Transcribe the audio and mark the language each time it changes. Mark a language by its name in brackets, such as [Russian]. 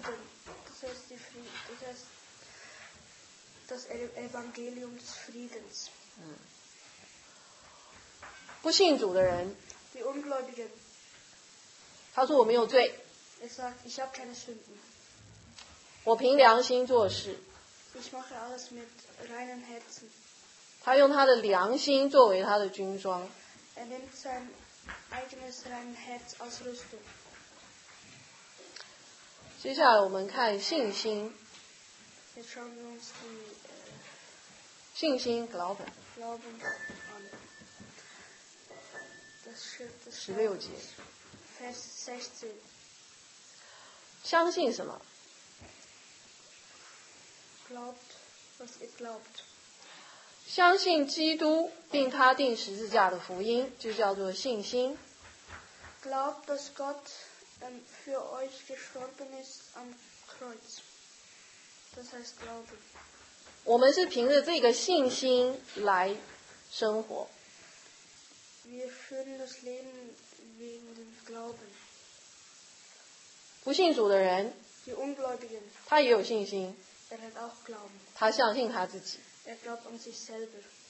[German] Das heißt, die Frieden. Das heißt, das Evangelium des Friedens. [Chinese] 不信主的人。 [German] Die Ungläubigen. [Chinese] 他说我没有罪。 [German] Er sagt, ich habe keine Sünden. [Chinese] 我凭良心做事。 [German] Ich mache alles mit reinen Herzen. [Chinese] 他用他的良心作为他的军装。 [German] Er nimmt sein eigenes reines Herz als Rüstung. [Chinese] 接下来我们看信心。 [German] Jetzt schauen wir uns die, [Chinese] 信心 [German] Glauben. Glauben. Das Schrift ist [Chinese] 16节。 [German] Vers 16. [Chinese] 相信什么？ [German] Glaubt, was ihr glaubt. [Chinese] 相信基督并他钉十字架的福音就叫做信心。 [German] Glaubt, dass Gott für euch gestorben ist am Kreuz. Das heißt Glauben. [Chinese] 我们是凭着这个信心来生活。 [German] Wir führen das Leben wegen dem Glauben. [Chinese] 不信主的人 [German] Die Ungläubigen. [Chinese] 他也有信心。 [German] Er hat auch Glauben. [Chinese] 他相信他自己。 [German] Er glaubt an sich selber.